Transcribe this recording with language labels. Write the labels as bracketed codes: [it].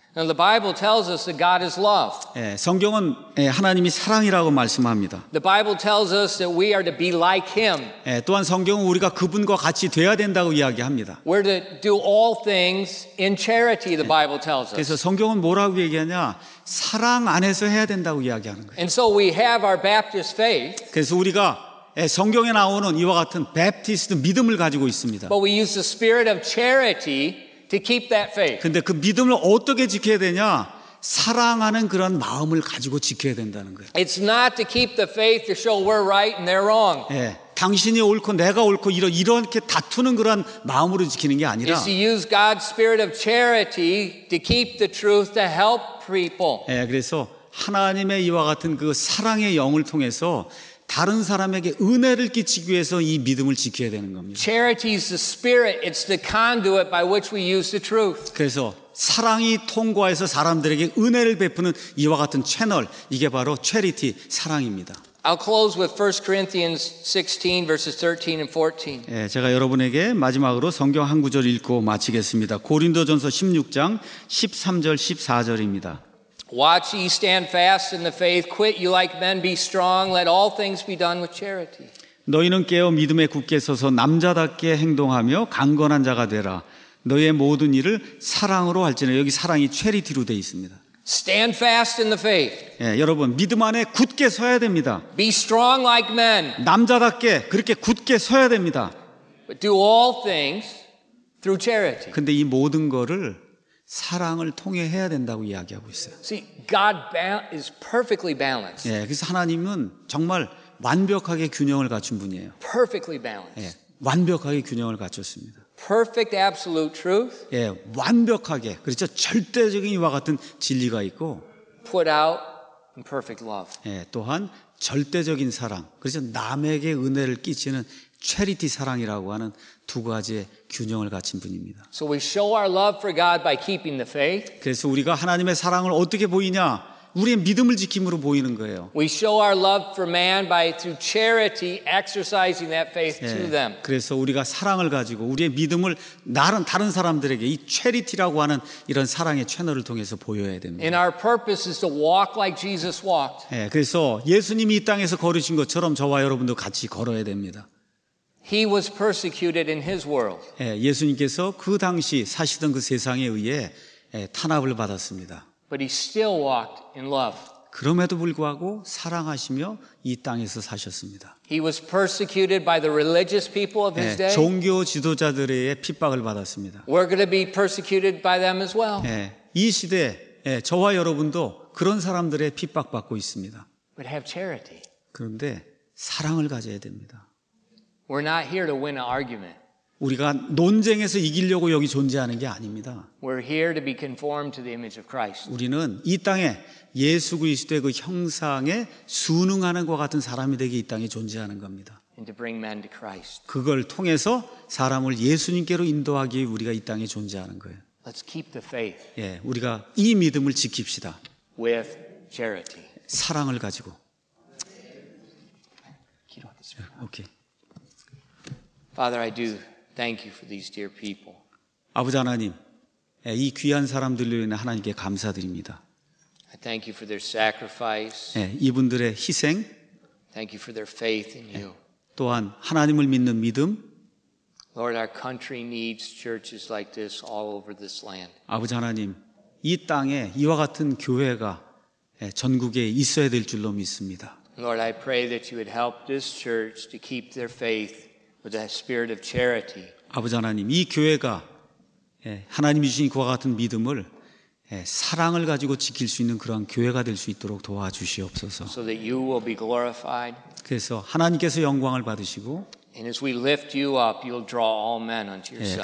[en] Now the Bible tells us that God is love. [ko] 예, 성경은 예, 하나님이 사랑이라고 말씀합니다. [en] The Bible tells us that we are to be like Him. [ko] 예, 또한 성경은 우리가 그분과 같이 되어야 된다고 이야기합니다. [en] We're to do all things in charity. The Bible tells us. [ko] 그래서 성경은 뭐라고 얘기하냐? 사랑 안에서 해야 된다고 이야기하는 거예요. [en] And so we have our Baptist faith. [ko] 그래서 우리가 예, 성경에 나오는 이와 같은 Baptist 믿음을 가지고 있습니다. [en] But we use the spirit of charity. To keep that faith. [ko] 근데 그 믿음을 어떻게 지켜야 되냐? 사랑하는 그런 마음을 가지고 지켜야 된다는 거예요. [en] It's not to keep the faith to show we're right and they're wrong. [ko] 예, 당신이 옳고 내가 옳고 이렇게 다투는 그런 마음으로 지키는 게 아니라. [en] It's to use God's spirit of charity to keep the truth to help people. [ko] 예, 그래서 하나님의 이와 같은 그 사랑의 영을 통해서 다른 사람에게 은혜를 끼치기 위해서 이 믿음을 지켜야 되는 겁니다. [en] Charity is the spirit. It's the conduit by which we use the truth. [ko] 그래서 사랑이 통과해서 사람들에게 은혜를 베푸는 이와 같은 채널 이게 바로 charity 사랑입니다. [en] I'll close with 1 Corinthians 16 verses 13 and 14. [ko] 예, 제가 여러분에게 마지막으로 성경 한 구절 읽고 마치겠습니다. 고린도전서 16장 13절 14절입니다. [en] Watch ye stand fast in the faith. Quit you like men. Be strong. Let all things be done with charity. [ko] 너희는 깨어 믿음에 굳게 서서 남자답게 행동하며 강건한 자가 되라. 너희의 모든 일을 사랑으로 할지니라. 여기 사랑이 charity로 되어 있습니다. [en] Stand fast in the faith. [ko] 예, 여러분 믿음 안에 굳게 서야 됩니다. [en] Be strong like men. [ko] 남자답게 그렇게 굳게 서야 됩니다. [en] But do all things through charity. [ko] 근데 이 모든 거를 사랑을 통해 해야 된다고 이야기하고 있어요. [en] See, God is perfectly balanced. [ko] 예, 그래서 하나님은 정말 완벽하게 균형을 갖춘 분이에요. [en] Perfectly balanced. [ko] 예, 완벽하게 균형을 갖췄습니다. [en] Perfect absolute truth. [ko] 예, 완벽하게 그렇죠. 절대적인 이와 같은 진리가 있고. [en] Put out in perfect love. [ko] 예, 또한 절대적인 사랑 그렇죠. 남에게 은혜를 끼치는 charity 사랑이라고 하는 두 가지의 균형을 갖춘 분입니다. [en] So we show our love for God by keeping the faith. [ko] 그래서 우리가 하나님의 사랑을 어떻게 보이냐? 우리의 믿음을 지킴으로 보이는 거예요. [en] We show our love for man by through charity exercising that faith [ko] 예, [en] to them. [ko] 그래서 우리가 사랑을 가지고 우리의 믿음을 다른 사람들에게 이 charity라고 하는 이런 사랑의 채널을 통해서 보여야 됩니다. [en] And our purpose is to walk like Jesus walked. [ko] 예, 그래서 예수님이 이 땅에서 걸으신 것처럼 저와 여러분도 같이 걸어야 됩니다. [en] He was persecuted in his world. [ko] 예, 예수님께서 그 당시 사시던 그 세상에 의해 예, 탄압을 받았습니다. [en] But he still walked in love. [ko] 그럼에도 불구하고 사랑하시며 이 땅에서 사셨습니다. [en] He was persecuted by the religious people of his day. [ko] 종교 지도자들의 핍박을 받았습니다. [en] We're going to be persecuted by them as well. [ko] 예, 이 시대에 예, 저와 여러분도 그런 사람들의 핍박받고 있습니다. [en] But have charity. [ko] 그런데 사랑을 가져야 됩니다. [en] We're not here to win an argument. [ko] 우리가 논쟁에서 이기려고 여기 존재하는 게 아닙니다. [en] We're here to be conformed to the image of Christ. [ko] 우리는 이 땅에 예수 그리스도의 그 형상에 순응하는 것 같은 사람이 되게 이 땅에 존재하는 겁니다. [en] And to bring man to Christ. [ko] 그걸 통해서 사람을 예수님께로 인도하기 위해 우리가 이 땅에 존재하는 거예요. [en] Let's keep the faith. [ko] 예, 우리가 이 믿음을 지킵시다. [en] With charity. [ko] 사랑을 가지고. 기도하겠습니다. 예, 오케이. [en] Father, I do thank you for these dear people. [ko] 아버지 하나님, 이 귀한 사람들로 인해 하나님께 감사드립니다. [en] I thank you for their sacrifice. [ko] 예, 이분들의 희생. [en] Thank you for their faith in you. [ko] 또한 하나님을 믿는 믿음. [en] Lord, our country needs churches like this all over this land. [ko] 아버지 하나님, 이 땅에 이와 같은 교회가 전국에 있어야 될 줄로 믿습니다. [en] Lord, I pray that you would help this church to keep their faith with that spirit of charity. [ko] 아버지 하나님, 이 교회가 하나님이 주신 그와 같은 믿음을 사랑을 가지고 지킬 수 있는 그런 교회가 될 수 있도록 도와주시옵소서. [en] So that you will be glorified. [ko] 그래서 하나님께서 영광을 받으시고. [en] And as we lift you up, you'll draw all men unto yourself.